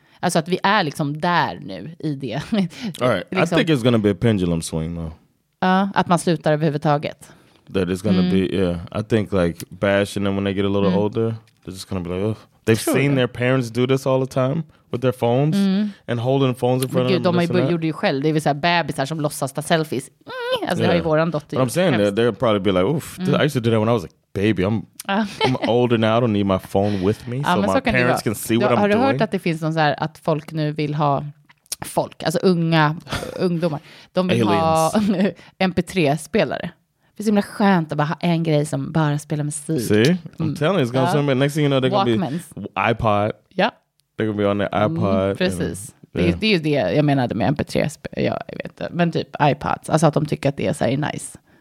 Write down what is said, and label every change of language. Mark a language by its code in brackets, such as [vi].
[sv] Alltså att vi är liksom där nu i det. [en] All right, I think it's gonna be a pendulum swing though. [sv] Ja, att man slutar överhuvudtaget. [en] That it's gonna be, yeah. I think like bashing them when they get a little older. They're just gonna be like, oh, They've [sv] tror [en] seen [sv] du? [en] Their parents do this all the time with their phones and holding phones in front of them. [sv] Gud, de gjorde ju själv. Det vill säga bebisar som låtsas ta selfies. Alltså det har ju våran dotter. [en] But I'm saying that they'll probably be like, oof, I used to do that when I was a baby. I'm older now, I don't need my phone with me so my parents can see what I'm doing. [sv] Har du hört att det finns någon så här, att folk nu vill ha folk, alltså unga ungdomar, de vill ha MP3-spelare. Det är så himla skönt att bara ha en grej som bara spelar musik. [en] See? I'm telling you, it's gonna be next thing you know, they're gonna be iPod. [sv] Ja. [en] Yeah. They're gonna be on their iPod. [sv] Precis. [en] And, yeah. [sv] Det är ju det jag menade med MP3-spel. Ja, jag vet inte. Men typ iPods. Alltså att de tycker att det är så här nice.